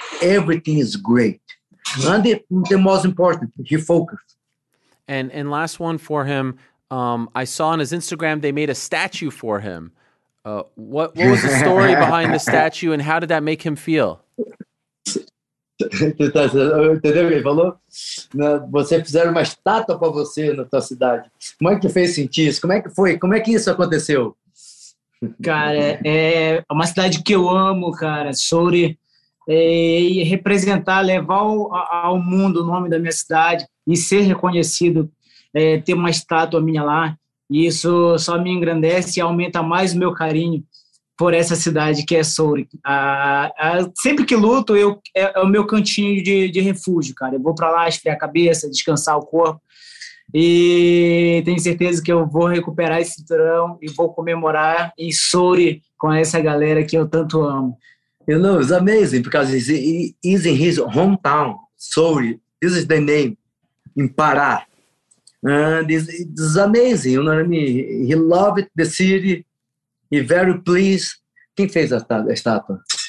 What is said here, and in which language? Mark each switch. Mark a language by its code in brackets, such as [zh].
[en] Everything is great. And the most important, he focused. And last one for him, I saw on his Instagram they made a statue for him. What was the story behind the statue and how did that make him feel? [pt] Entendeu o que ele falou? Você fizeram uma estátua para você na tua cidade. Como é que fez sentir isso? Como é que foi? Como é que isso aconteceu? Cara, é uma cidade que eu amo, cara. Souri. E representar, levar ao mundo o nome da minha cidade e ser reconhecido, ter uma estátua minha lá. Isso só me engrandece e aumenta mais o meu carinho por essa cidade que é Souri. Sempre que luto, é o meu cantinho de refúgio, cara. Eu vou para lá esfriar a cabeça, descansar o corpo. E tenho certeza que eu vou recuperar esse cinturão e vou comemorar em Souri com essa galera que eu tanto amo. [en] You know, it's amazing because he's in his hometown, Souri. This is the name, in Pará. And it's amazing, you know what I mean? He loved the city. He very pleased. [pt] Quem fez a estátua?